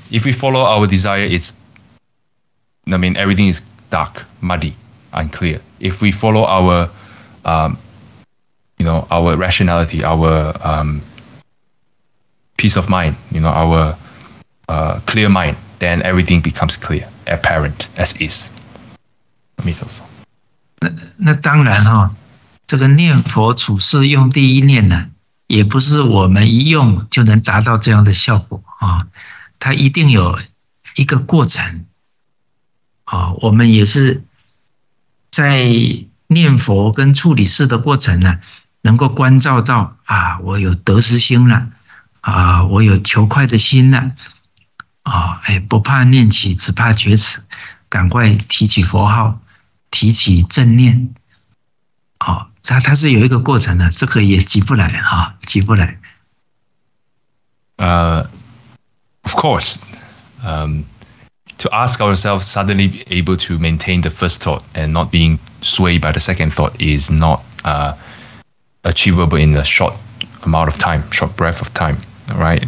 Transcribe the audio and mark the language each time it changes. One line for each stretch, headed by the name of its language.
English: If we follow our desire, it's, I mean, everything is dark, muddy, unclear. If we follow our, you know, our rationality, our peace of mind, you know, our clear mind, then everything becomes clear, apparent, as is.
Chinese: 阿弥陀佛。那当然齁, 这个念佛处事用第一念呢, 也不是我们一用就能达到这样的效果齁, 它一定有一个过程, 齁, 我们也是在念佛跟处理事的过程呢, 能够关照到, 啊, 我有得失心了, 啊, 我有求快的心了, 不怕念起，只怕觉迟，赶快提起佛号，提起正念，它是有一个过程的，这个也急不来，急不来。
English: Of course, to ask ourselves suddenly able to maintain the first thought and not being swayed by the second thought is not achievable in a short amount of time, short breath of time, right?